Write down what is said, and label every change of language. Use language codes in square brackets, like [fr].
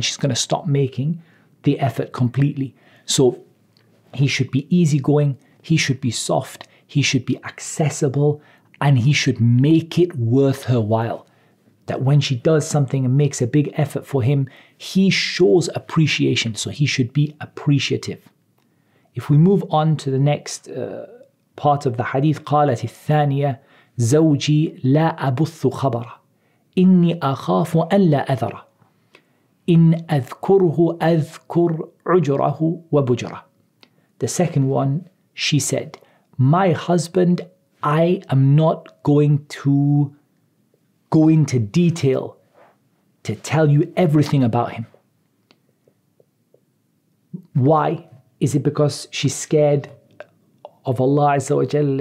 [en] She's going to stop making the effort completely. So he should be easygoing, he should be soft, he should be accessible, and he should make it worth her while. That when she does something and makes a big effort for him, he shows appreciation. So he should be appreciative. If we move on to the next part of the hadith, [ar] قالت الثانية زوجي لا أبث خبرة إني أخاف أن لا أذرة إن أذكره أذكر عجره وبجره. [en] The second one, she said, my husband, I am not going to go into detail to tell you everything about him. Why? Is it because she's scared of Allah Azza wa Jalla?